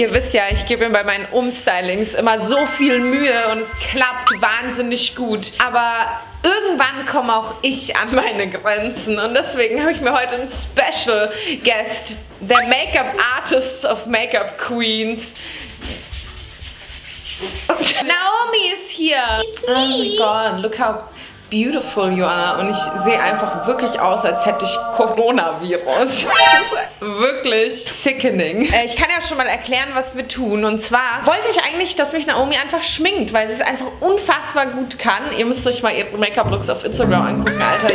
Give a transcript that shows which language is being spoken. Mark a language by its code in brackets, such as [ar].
[de] Ihr wisst ja, ich gebe mir bei meinen Umstylings immer so viel Mühe und es klappt wahnsinnig gut. Aber irgendwann komme auch ich an meine Grenzen und deswegen habe ich mir heute einen Special Guest, der Make-up Artist of Make-up Queens. Naomi ist hier. [en] It's me. Oh my god, look how beautiful you are. [de] Und ich sehe einfach wirklich aus, als hätte ich Coronavirus. Das ist wirklich sickening. Ich kann ja schon mal erklären, was wir tun. Und zwar wollte ich eigentlich, dass mich Naomi einfach schminkt, weil sie es einfach unfassbar gut kann. Ihr müsst euch mal ihre Make-up-Looks auf Instagram angucken, Alter.